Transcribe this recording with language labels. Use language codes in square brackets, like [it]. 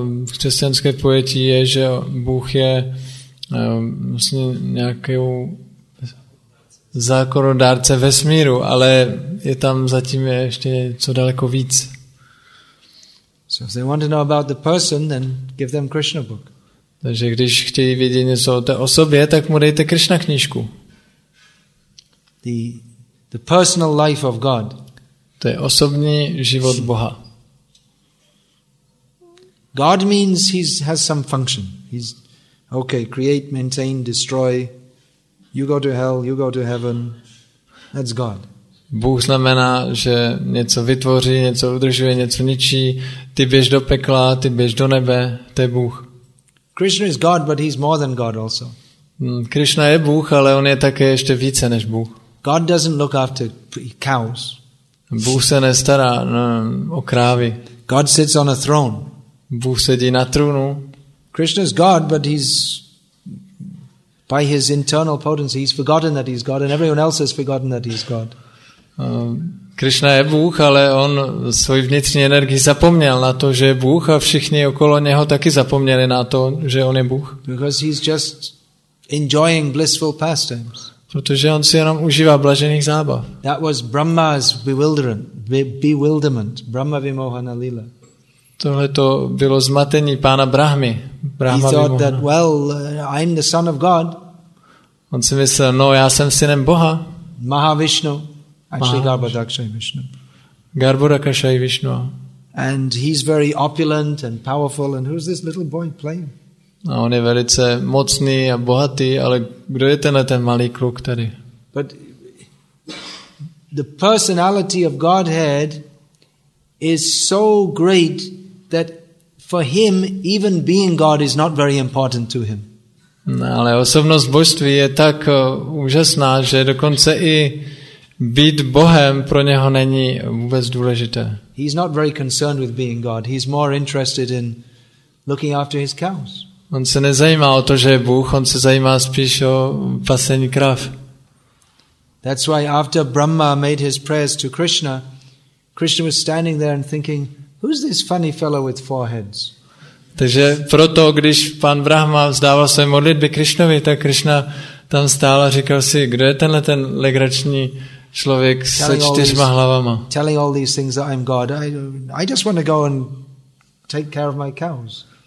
[cs] Křesťanské pojetí je, že Bůh je vlastně nějaký zákonodárce vesmíru, ale je tam zatím ještě co daleko víc. [en] So if they want to know about the person, then give them Krishna book. [cs] Takže když chtějí vědět něco o té osobě, tak mu dejte Krishna knížku. [en] The personal life of God. [cs] To je osobní život Boha. [en] God means has some function. He's okay, create, maintain, destroy. You go to hell, you go to heaven. That's God. [cs] Bůh znamená, že něco vytvoří, něco udržuje, něco ničí. Ty běž do pekla, ty běž do nebe, to je Bůh. [en] Krishna is God, but he's more than God also. [cs] Krishna je Bůh, ale on je také ještě více než Bůh. [en] God doesn't look after cows. [cs] Bůh se nestará o krávy. [en] God sits on a throne. [cs] Bůh sedí na trůnu. [en] Krishna is God, but he's by his internal potency, he's forgotten that he's God, and everyone else has forgotten that he's God. [cs] Krishna je Bůh, ale on svoji vnitřní energii zapomněl na to, že je Bůh, a všichni okolo něho taky zapomněli na to, že on je Bůh. [en] Because he's just enjoying blissful pastimes. [cs] Protože on si jenom užívá blažených zábav. [en] That was Brahma's bewilderment, Brahma Vimohana Lila. [cs] Tohle to bylo zmatení pána Brahmy. [sa] Brahma Vimohana. [en] He thought that, well, I'm the son of God. [cs] On si myslel, no, já jsem synem Boha. [en] Mahavishnu. Actually, Garbhodakshay Vishnu. [sa] Garbhodakshay Vishnu. [en] And he's very opulent and powerful. And who's this little boy playing? [cs] A on je velice mocný a bohatý, ale kdo je ten malý kluk tady? [en] But the personality of Godhead is so great that for him, even being God is not very important to him. [cs] No, ale osobnost božství je tak úžasná, že dokonce i být Bohem pro něho není vůbec důležité. [en] He's not very concerned with being God. He's more interested in looking after his cows. [cs] On se nezajímá o to, že je Bůh, on se zajímá spíš o pasení krav. [en] That's why after Brahma made his prayers to Krishna, Krishna was standing there and thinking, who's this funny fellow with four heads? [cs] Takže proto, když pan Brahma vzdával své modlitby Krishnovi, tak Krishna tam stál a říkal si, kdo je tenhle ten legrační člověk se čtyřma hlavama. [en] Telling all these things that I'm God. I just want to go and take care of my cows.